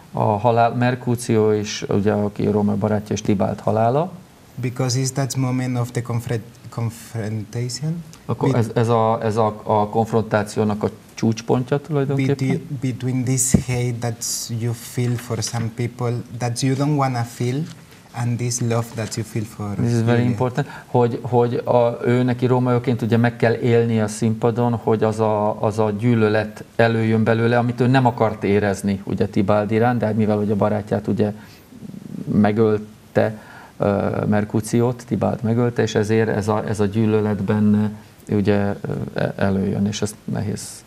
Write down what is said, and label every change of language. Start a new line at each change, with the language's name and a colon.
Hungarian: A halál, Mercutio is, ugye, aki Róma barátja, és Tybalt halála.
English: Because is that moment of the confrontation?
Hungarian: Akkor ez a konfrontációnak a csúcspontja tulajdonképpen?
English: Between this hate that you feel for some people that you don't want to feel, and this love that you feel for this is very important,
Hungarian: hogy a ő neki rómaiként ugye meg kell élni a színpadon, hogy az a gyűlölet előjön belőle, amit ő nem akart érezni ugye Tybalt iránt, de mivel ugye a barátját ugye megölte, Mercutiót, Tybalt megölte, és ezért ez a gyűlölet benne ugye előjön, és ez nehéz.